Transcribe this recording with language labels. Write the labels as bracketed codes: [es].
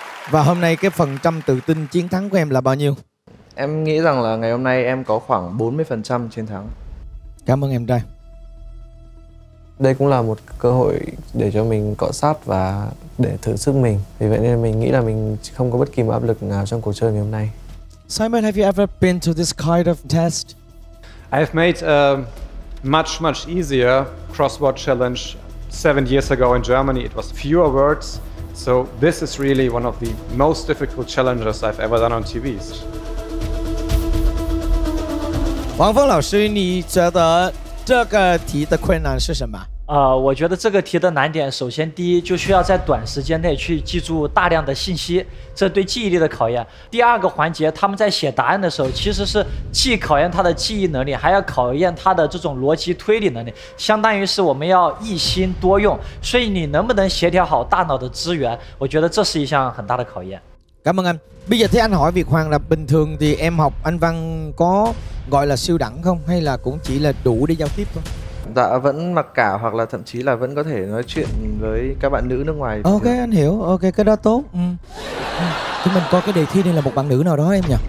[vi] Và hôm nay cái phần trăm tự tin chiến thắng của em là bao nhiêu? Em nghĩ rằng là ngày hôm nay em có khoảng 40% chiến thắng. Cảm ơn em trai. Đây cũng là một cơ hội để cho mình cọ sát và để thử sức mình. Vì vậy nên mình nghĩ là mình không có bất kỳ một áp lực nào trong cuộc chơi ngày hôm nay. [en] Simon, have you ever been to this kind of test? I have made a much easier crossword challenge 7 years ago in Germany. It was fewer words. So this is really one of the most difficult challenges I've ever done on TV. [zh] Vương Phong 老师，你觉得这个题的困难是什么？我觉得这个题的难点，首先第一就需要在短时间内去记住大量的信息，这对记忆力的考验。第二个环节，他们在写答案的时候，其实是既考验他的记忆能力，还要考验他的这种逻辑推理能力，相当于是我们要一心多用，所以你能不能协调好大脑的资源，我觉得这是一项很大的考验。 [vi] Cảm ơn anh. Bây giờ thì anh hỏi Việt Hoàng là bình thường thì em học Anh Văn có gọi là siêu đẳng không hay là cũng chỉ là đủ để giao tiếp thôi? Dạ vẫn mặc cả hoặc là thậm chí là vẫn có thể nói chuyện với các bạn nữ nước ngoài. Ok anh hiểu, ok cái đó tốt. Ừ. Chúng mình coi cái đề thi này là một bạn nữ nào đó em nhỉ?